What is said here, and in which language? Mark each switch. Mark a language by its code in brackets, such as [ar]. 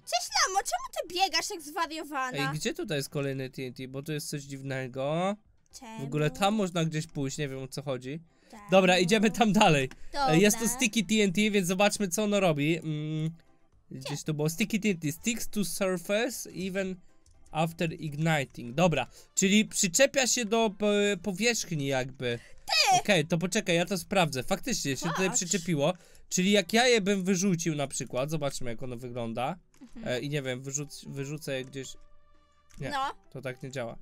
[pl] Cześć, lamo, czemu ty biegasz jak zwariowana? Ej, gdzie tutaj jest kolejny TNT? Bo tu jest coś dziwnego. Czemu? W ogóle tam można gdzieś pójść, nie wiem o co chodzi. Czemu? Dobra, idziemy tam dalej. Dobra. Jest to Sticky TNT, więc zobaczmy co ono robi. Gdzieś to było Sticky TNT. [en] Sticks to surface even after igniting. [pl] Dobra, czyli przyczepia się do powierzchni jakby. Okej, okay, to poczekaj, ja to sprawdzę. Faktycznie się tutaj przyczepiło. Czyli jak ja je bym wyrzucił na przykład, zobaczmy jak ono wygląda. Mhm. I nie wiem, wyrzucę je gdzieś. Nie, no. To tak nie działa.